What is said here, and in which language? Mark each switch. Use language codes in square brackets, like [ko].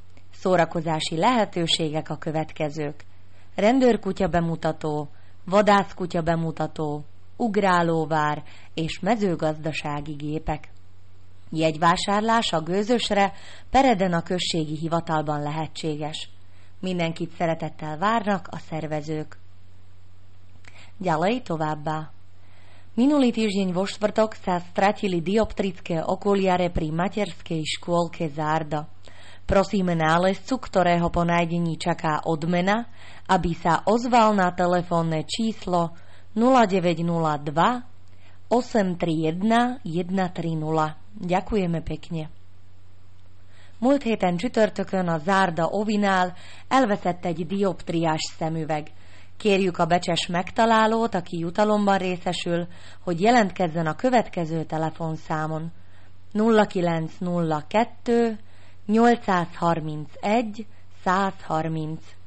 [hu] Szórakozási lehetőségek a következők. Rendőrkutya bemutató, vadászkutya bemutató, ugrálóvár és mezőgazdasági gépek. Jegyvásárlás a gőzösre Pereden a községi hivatalban lehetséges. Mindenkit szeretettel várnak a szervezők. [sk] Ďalej [hu] továbbá. [sk] Minulý týždeň vo štvrtok sa stratili dioptrické okuliare pri materskej škôlke Zárda. Prosíme nálezcu, ktorého po nájdení čaká odmena, aby sa ozval na telefónne číslo 0902 831 130. Ďakujeme pekne. [hu] Múlt héten csütörtökön a Zárda ovinál elveszett egy dioptriás szemüveg. Kérjük a becses megtalálót, aki jutalomban részesül, hogy jelentkezzen a következő telefonszámon. 0902 831 130.